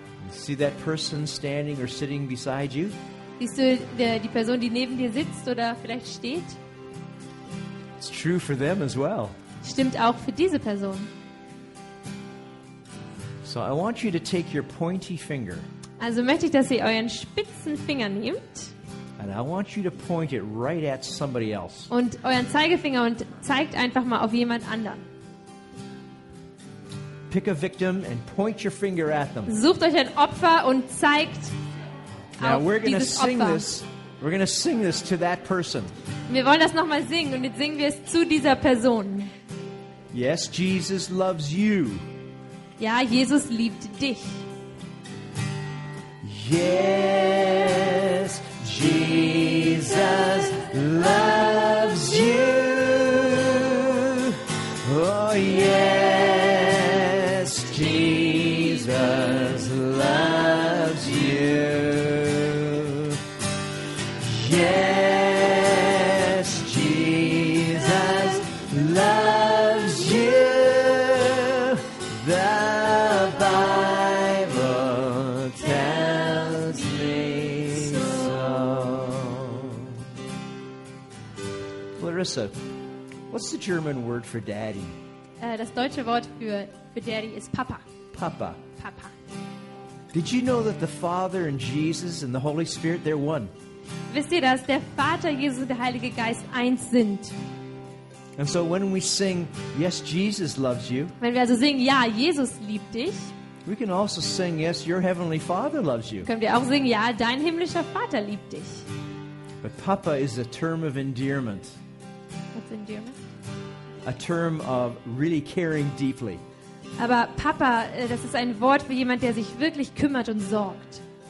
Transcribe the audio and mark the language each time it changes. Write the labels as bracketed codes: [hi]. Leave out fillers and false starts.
[en] See that person standing or sitting beside you? [de] Siehst du die Person, die neben dir sitzt oder vielleicht steht? [en] It's true for them as well. [de] Stimmt auch für diese Person. [en] So I want you to take your pointy finger. [de] Also möchte ich, dass ihr euren spitzen Finger nehmt. [en] And I want you to point it right at somebody else. [de] Und euren Zeigefinger und zeigt einfach mal auf jemand anderen. [en] pick a victim and point your finger at them. [de] Sucht euch ein Opfer und zeigt [en] Now we're going to sing [de] Opfer. [en] This. We're going to sing this to that person. [de] Wir wollen das nochmal singen und jetzt singen wir es zu dieser Person. [en] Yes, Jesus loves you. [de] Ja, Jesus liebt dich. [en] Yes, Jesus loves you. Oh yes, Jesus loves you. Yes, Jesus loves you. The Bible tells me so. Clarissa, what's the German word for daddy? [de] Das deutsche Wort für daddy ist Papa. Papa. Papa. [en] Did you know that the Father and Jesus and the Holy Spirit, they're one? [de] Wisst ihr, dass der Vater, Jesus und der Heilige Geist eins sind? [en] And so when we sing, yes, Jesus loves you. [de] Wenn wir also singen, ja, Jesus liebt dich. [en] We can also sing, yes, your heavenly Father loves you. [de] Können wir auch singen, ja, dein himmlischer Vater liebt dich. [en] But Papa is a term of endearment. What's endearment? A term of really caring deeply. [de] Aber Papa, das ist ein Wort für jemand, der sich wirklich kümmert und sorgt.